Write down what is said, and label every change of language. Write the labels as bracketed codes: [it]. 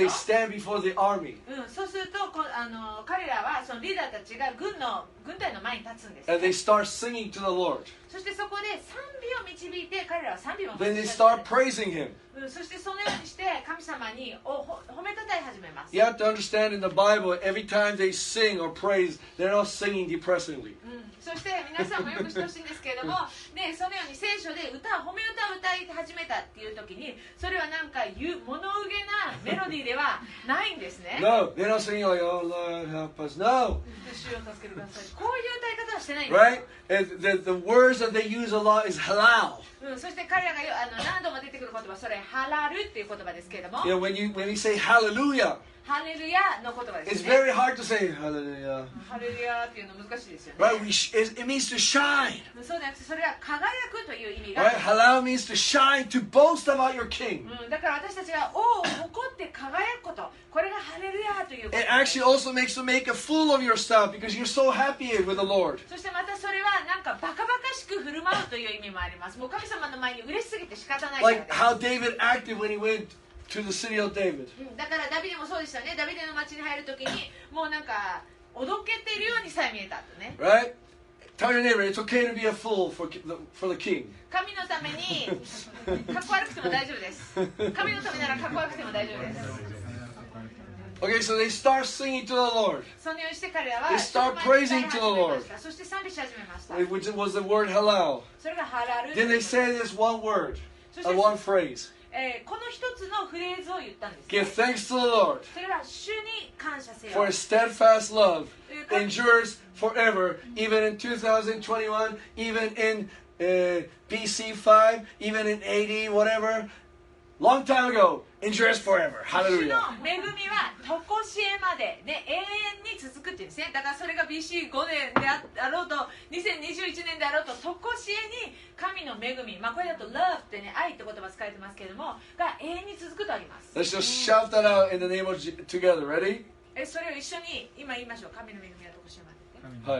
[en] then they stand before the army. [ja] そうすると、あの、彼らはそのリーダーたちが軍隊の前に立つんです。 [en] And they start singing to the Lord. [ja] そしてそこで賛美を導いて、彼らは賛美を始めます。 [en] Then they start praising him. [ja] そしてそのようにして神様に褒めたたえ始めます。 [en] You have to understand in the Bible, every time they sing or praise, they're not singing depressingly. [ja] そして皆さんもよく知ってほしいんですけれども、ね、そのように聖書で歌褒め歌を歌い始めたっていう時にそれはなんか物憂げなメロディーではないんですね。 [en] No, they're not singing like, oh Lord help us. No, [ja] 主を助けてください。こういう歌い方はしてないんです。 [en] Right, and the words that they use a lot is halal. [ja] そして彼らがあの何度も出てくる言葉それはハラルっていう言葉ですけれども、 [en] yeah, when you say hallelujah, [ja] ハレルヤの言葉ですね。 [en] It's very hard to say ハレルヤ。 [ja] ハレルヤっていうの難しいですよね。 [en] Right, it means to shine. [ja] そうなんです。それは輝くという意味が。 [en] Right, halal means to shine, to boast about your king. [ja] だから私たちが王を誇って輝くこと、これがハレルヤということ。 [en] It actually also makes you make a fool of yourself because you're so happy with the Lord. [ja] そしてまたそれはなんかバカバカしく振る舞うという意味もあります。もう神様の前に嬉しすぎて仕方ないからです。 [en] Like how David acted when he went. To the city of David. [ja] だからダビデもそうでしたね。ダビデの町に入るときにもうなんかおどけているようにさえ見えたとね。 [en] Right? Tell your neighbor, it's okay to be a fool for the king. [ja] 神のためにかっこ悪くても大丈夫です。神のためならかっこ悪くても大丈夫です。 [en] Okay, so they start singing to the Lord. They start praising to the Lord. Which was the word halal. Then they say this one word, one phrase. [ja] この一つのフレーズを言ったんです、ね、 [en] Give thanks to the Lord. [ja] それは主に感謝せよ。 [en] For a steadfast love endures forever, even in 2021, even in BC 5, even in AD, whatever. Long time ago, endures forever. Hallelujah. [ja] 主の恵みはとこしえまで、ね、永遠に続くというんですね。だからそれが BC 5年であろうと、2021年であろうと、とこしえに神の恵み、まあ、これだと love ってね、愛って言葉使えてますけれども、が永遠に続くとあります。 [en] Let's just shout that out in the name of together. Ready? [ja] それを一緒に今言いましょう。神の恵みはとこしえまで。